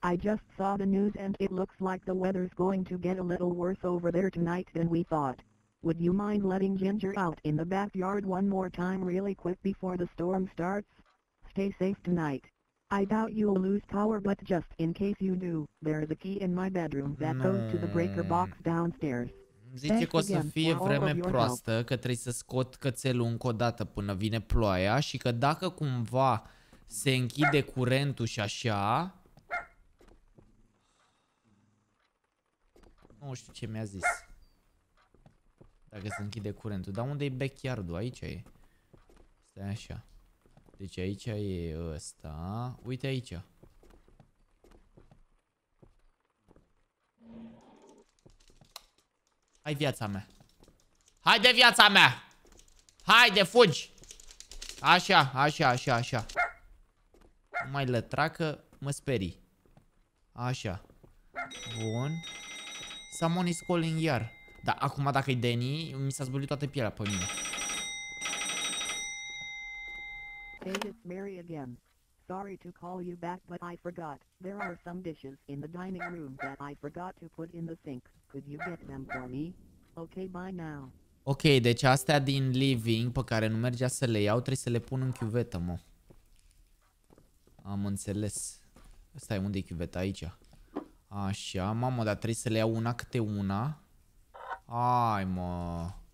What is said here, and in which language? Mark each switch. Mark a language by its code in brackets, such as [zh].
[en] I just saw the news and it looks like the weather's going to get a little worse over there tonight than we thought. Would you mind letting Ginger out in the backyard one more time really quick before the storm starts? Stay safe tonight. I doubt you'll lose power, but just in case you do, there's a key in my bedroom that goes to the breaker box downstairs. [ro] Zice că o să fie vreme proastă, că trebuie să scot cățelul încă o dată până vine ploaia și că dacă cumva se închide curentul și așa... Nu știu ce mi-a zis. Dacă se închide curentul. Dar unde e backyard-ul? Aici e. Stai așa. Deci aici e ăsta. Uite aici. Hai viața mea. Haide viața mea. Haide, fugi. Așa, așa, așa, așa. Nu mai lătra că mă sperii. Așa. Bun. [en] Someone is calling [ro] iar. Dar acum dacă e Danny, mi s-a zbulit toată pielea pe mine. [en] Hey, it's Mary again. Sorry to call you back, but I forgot. There are some dishes in the dining room that I forgot to put in the sink. Could you get them for me? Okay, bye now. [ro] Ok, deci astea din living pe care nu mergea să le iau, trebuie să le pun în chiuvetă, mă. Am înțeles. Stai, unde e chiuveta? Aici. Așa, mamă, dar trebuie să le iau una câte una. Ai, mă.